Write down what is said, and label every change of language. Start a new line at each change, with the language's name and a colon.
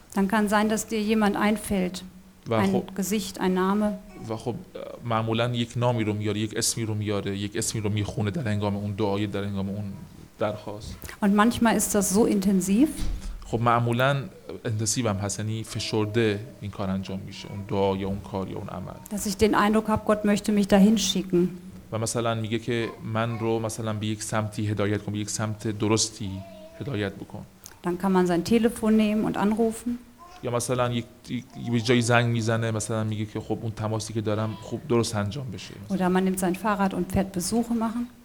German: dann kann sein dass dir jemand einfällt ein gesicht ein name
Persian: و خب معمولا یک نامی رو میاره یک اسمی رو میاره یک اسمی رو میخونه در هنگام اون دعای در هنگام اون درخواست
German: und manchmal ist das so intensiv
Persian: خب معمولا انتنسیو هم هست یعنی فشرده این کار انجام میشه اون دعا یا اون کار یا اون عمل
German: dass ich den eindruck habe gott möchte mich dahin schicken
Persian: و مثلا میگه که من رو مثلا به یک سمتی هدایت کن به یک سمت درستی هدایت بکن
German: dann kann man sein telefon nehmen und anrufen
Persian: یا مثلا یک جایی زنگ میزنه مثلا میگه که خب اون تماسی که دارم خوب درست انجام بشه
German: oder man nimmt sein fahrrad und fährt besuche machen